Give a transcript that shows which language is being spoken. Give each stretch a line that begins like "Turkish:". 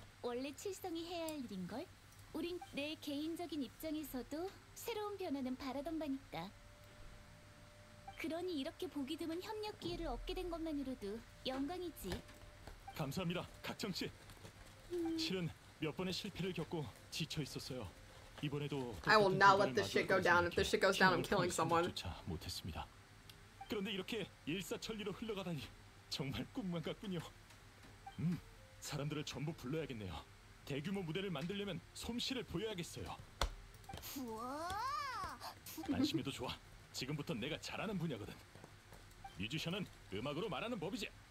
Korean: 원래 칠성이 해야 할 일인걸? 우린 내 개인적인 입장에서도 새로운 변화는 바라던 바니까. 그러니 이렇게 보기 드문 협력 기회를 얻게 된 것만으로도 영광이지. 감사합니다, 각정 씨. 실은 몇 번의 실패를 겪고 지쳐 있었어요. 이번에도
English: I will not let this shit go down. If this shit goes down, I'm killing someone.
Korean: 조차 못했습니다. 그런데 이렇게 일사천리로 흘러가다니 정말 꿈만 같군요. 사람들을 전부 불러야겠네요. 대규모 무대를 만들려면 솜씨를 보여야겠어요. 우와! 안심해도 좋아. 지금부터 내가 잘하는 분야거든. 뮤지션은 음악으로 말하는 법이지.